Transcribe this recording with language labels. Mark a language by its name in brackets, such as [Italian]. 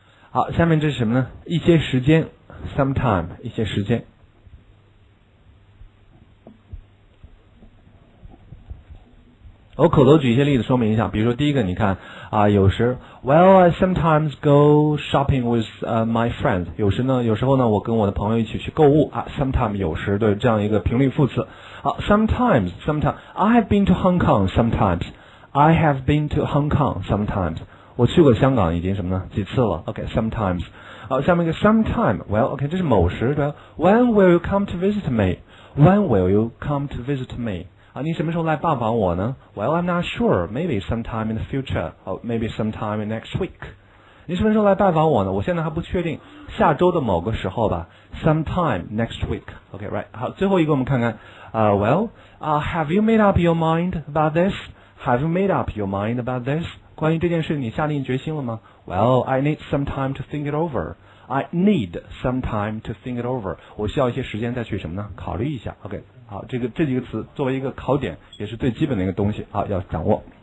[Chinese] 好，下面这是什么呢？一些时间。Sometime 一些时间，我口头举一些例子说明一下。比如说第一个，你看啊，有时 [English] ，Well, I sometimes go shopping with my friends。 [Chinese] 有时候呢，我跟我的朋友一起去购物啊。Sometime 有时，对，这样一个频率副词。 [English] 好 ，Sometimes，Sometime，I have been to Hong Kong sometimes，I have been to Hong Kong sometimes。 [Chinese] 我去过香港已经什么呢？几次了 [English] ？OK， sometimes。 [Chinese] 好，下面一个 [English] sometime， well， OK， [Chinese] 这是某时，对吧 [English] ？When will you come to visit me？ When will you come to visit me？ [Chinese] 啊，你什么时候来拜访我呢 [English] ？Well， I'm not sure， maybe sometime in the future， or maybe sometime next week。 [Chinese] 你什么时候来拜访我呢？我现在还不确定，下周的某个时候吧 ， [English] sometime next week。 OK， right。 [Chinese] 好，最后一个我们看看， [English] have you made up your mind about this？ Have you made up your mind about this？ [Chinese] 关于这件事你下定决心了吗 [English] ？Well， I need some time to think it over。 I need some time to think it over。 [Chinese] 我需要一些时间再去什么呢？考虑一下。OK， 好，这几个词作为一个考点，也是最基本的一个东西，好，要掌握。